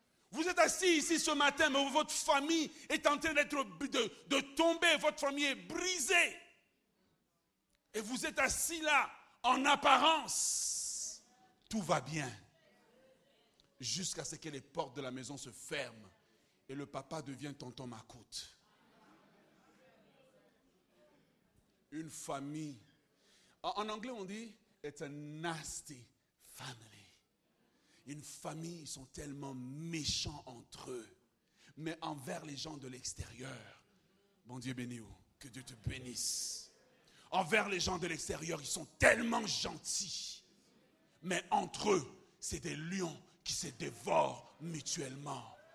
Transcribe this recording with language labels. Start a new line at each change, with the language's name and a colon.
French: Vous êtes assis ici ce matin, mais votre famille est en train de tomber, votre famille est brisée. Et vous êtes assis là, en apparence, tout va bien. Jusqu'à ce que les portes de la maison se ferment et le papa devient tonton Macoute. Une famille. En anglais, on dit,
English: it's a nasty family.
French: Une famille, ils sont tellement méchants entre eux, mais envers les gens de l'extérieur. Bon Dieu bénis-vous, que Dieu te bénisse. Envers les gens de l'extérieur, ils sont tellement gentils, mais entre eux, c'est des lions qui se dévorent mutuellement.